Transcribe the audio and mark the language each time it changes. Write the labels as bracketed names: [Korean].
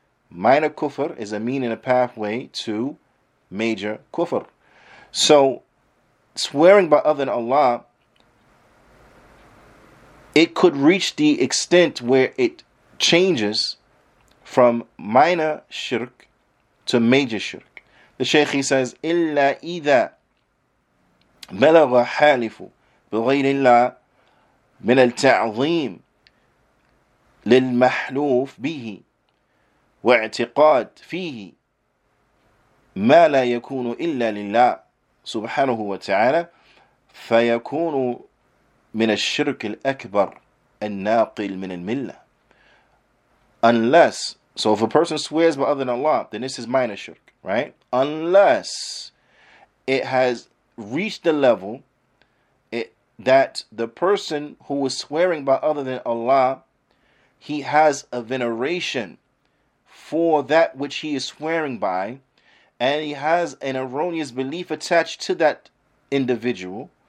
[English] Minor kufr is a mean and a pathway to major kufr. So, swearing by other than Allah, it could reach the extent where it changes from minor shirk to major shirk. The Shaykh, he says, [Arabic] إِلَّا إِذَا بَلَغَ حَالِفُ بِغَيْرِ اللَّهِ مِنَ الْتَعْظِيمِ للمحلوف به واعتقاد فيه ما لا يكون إلا لله سبحانه وتعالى فيكون من الشرك الأكبر الناقل من الملة. [English] Unless, so if a person swears by other than Allah, then this is minor shirk, right? Unless it has reached the level that the person who is swearing by other than Allah, he has a veneration for that which he is swearing by, and he has an erroneous belief attached to that individual